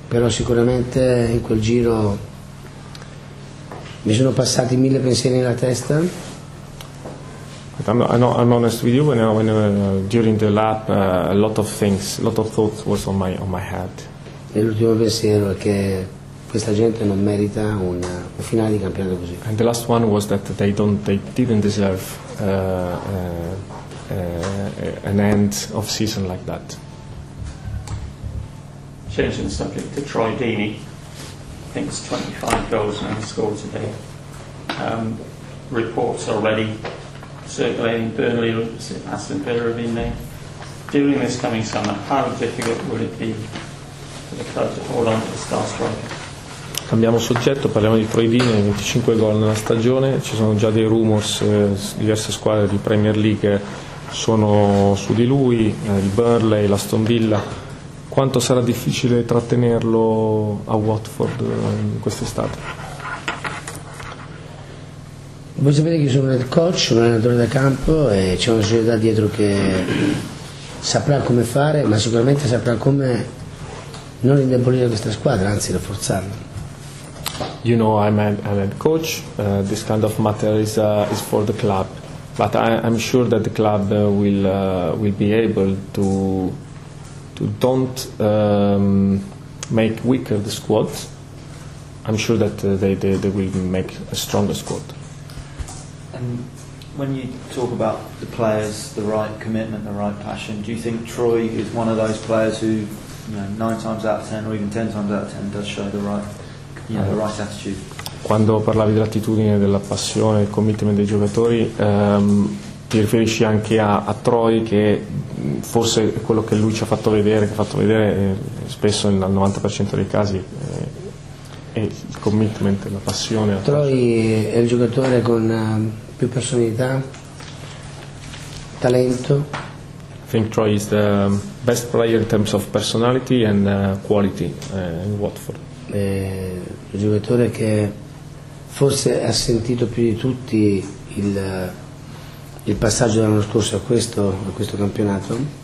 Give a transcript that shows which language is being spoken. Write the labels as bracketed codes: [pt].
[it] Però sicuramente in quel giro mi sono passati mille pensieri nella testa. [en] I'm honest with you, when during the lap a lot of thoughts was on my head. [it] E l'ultimo pensiero è che questa gente non merita un finale di campionato così. [en] And the last one was that they didn't deserve an end of season like that. Changing the subject to Troy Deeney, I think it's 25 goals and he scored today. Reports already circulating, Burnley, Aston Villa have been there. During this coming summer, how difficult would it be for the club to hold on to the star striker? [it] Cambiamo soggetto, parliamo di Troy Deeney, 25 gol nella stagione. Ci sono già dei rumors, diverse squadre di Premier League sono su di lui, il Burnley, l'Aston Villa. Quanto sarà difficile trattenerlo a Watford in quest'estate? Voi sapete che sono il coach, un allenatore da campo, e c'è una società dietro che saprà come fare, ma sicuramente saprà come non indebolire questa squadra, anzi rafforzarla. [en] You know, I'm a coach. This kind of matter is for the club, but I'm sure that the club will be able to don't make weaker the squad. I'm sure that they will make a stronger squad. And when you talk about the players, the right commitment, the right passion, do you think Troy is one of those players who, you know, 9 times out of 10 or even 10 times out of 10 does show the right attitude? [it] Quando parlavi dell'attitudine, della passione, del commitment dei giocatori, ti riferisci anche a Troy, che forse è quello che lui ci ha fatto vedere, che ha fatto vedere spesso nel 90% dei casi, è il commitment, la passione. Troy è il giocatore con più personalità, talento. [en] I think Troy is the best player in terms of personality and quality in Watford. [it] È il giocatore che forse ha sentito più di tutti il passaggio dell'anno scorso a questo campionato.